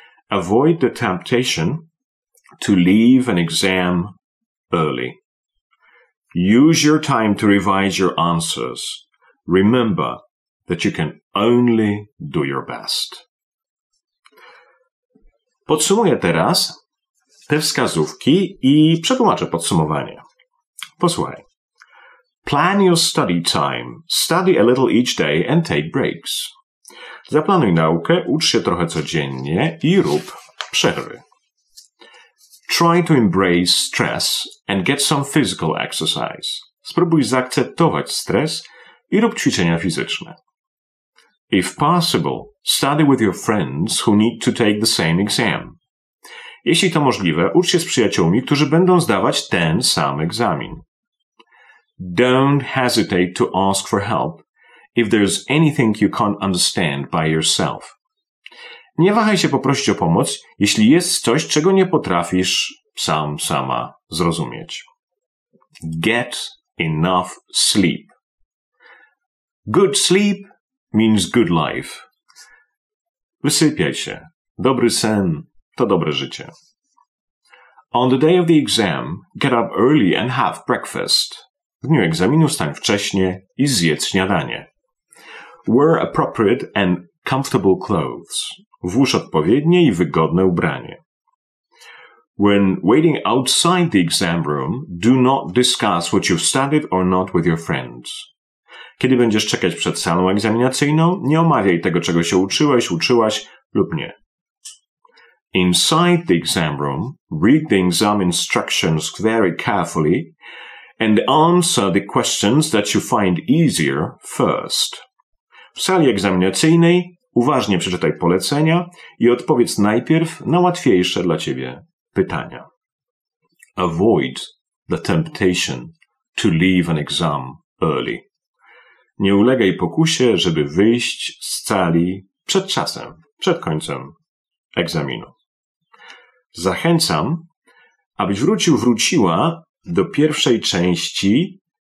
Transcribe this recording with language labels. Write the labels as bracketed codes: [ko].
[en] Avoid the temptation to leave an exam early. Use your time to revise your answers. Remember that you can only do your best. [pl] Podsumuję teraz te wskazówki i przetłumaczę podsumowanie. Posłuchaj. [en] Plan your study time. Study a little each day and take breaks. [pl] Zaplanuj naukę, ucz się trochę codziennie i rób przerwy. [en] Try to embrace stress and get some physical exercise. [pl] Spróbuj zaakceptować stres i rób ćwiczenia fizyczne. [en] If possible, study with your friends who need to take the same exam. [pl] Jeśli to możliwe, ucz się z przyjaciółmi, którzy będą zdawać ten sam egzamin. [en] Don't hesitate to ask for help if there's anything you can't understand by yourself. [pl] Nie wahaj się poprosić o pomoc, jeśli jest coś, czego nie potrafisz sama zrozumieć. [en] Get enough sleep. Good sleep means good life. [pl] Wysypiaj się. Dobry sen to dobre życie. [en] On the day of the exam, get up early and have breakfast. [pl] W dniu egzaminu wstań wcześnie i zjedz śniadanie. [en] Wear appropriate and comfortable clothes. [pl] Włóż odpowiednie i wygodne ubranie. [en] When waiting outside the exam room, do not discuss what you've studied or not with your friends. [pl] Kiedy będziesz czekać przed salą egzaminacyjną, nie omawiaj tego, czego się uczyłeś, uczyłaś lub nie. [en] Inside the exam room, read the exam instructions very carefully and answer the questions that you find easier first. [pl] W sali egzaminacyjnej uważnie przeczytaj polecenia i odpowiedz najpierw na łatwiejsze dla ciebie pytania. [en] Avoid the temptation to leave an exam early. [pl] Nie ulegaj pokusie, żeby wyjść z sali przed czasem, przed końcem egzaminu. Zachęcam, abyś wróciła do pierwszej części.